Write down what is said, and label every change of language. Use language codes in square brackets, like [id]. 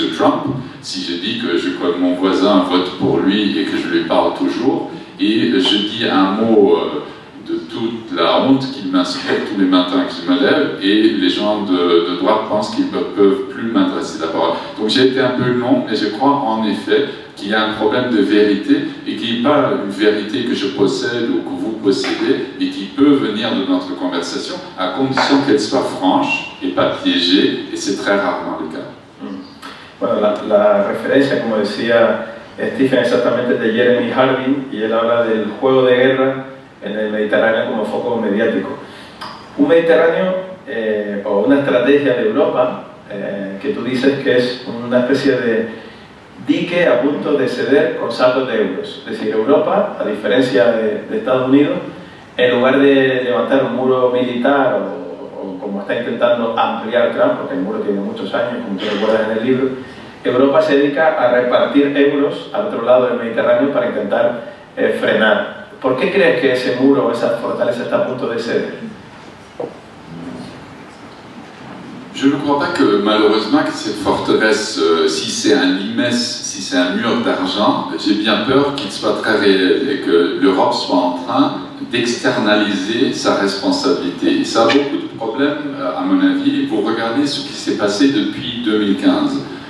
[fr] Trump, si j'ai dit que je crois que mon voisin vote pour lui et que je lui parle toujours, et je dis un mot de toute la honte qu'il m'inspire tous les matins qu'il me lève, et les gens de droite pensent qu'ils ne peuvent plus m'adresser la parole. Donc j'ai été un peu long, mais je crois en effet qu'il y a un problème de vérité, et qu'il n'y a pas une vérité que je possède ou que vous posséder et qui peut venir de notre conversation à condition qu'elle soit franche et pas piégée, et c'est très rarement le cas. [es] Bueno, la referencia, como decía Stephen, exactamente de Jeremy Harding, y él habla del juego de guerra en el Mediterráneo como foco mediático. Un Mediterráneo o una estrategia de Europa que tú dices que es una especie de dique a punto de ceder con saldos de euros. Es decir, Europa, a diferencia de Estados Unidos, en lugar de levantar un muro militar o como está intentando ampliar Trump, porque el muro tiene muchos años, como tú recuerdas en el libro, Europa se dedica a repartir euros al otro lado del Mediterráneo para intentar frenar. ¿Por qué crees que ese muro o esa fortaleza está a punto de ceder? [fr] Je ne crois pas que malheureusement que cette forteresse, si c'est un limès, si c'est un mur d'argent, j'ai bien peur qu'il soit très réel et que l'Europe soit en train d'externaliser sa responsabilité. Et ça a beaucoup de problèmes, à mon avis. Vous regardez ce qui s'est passé depuis 2015.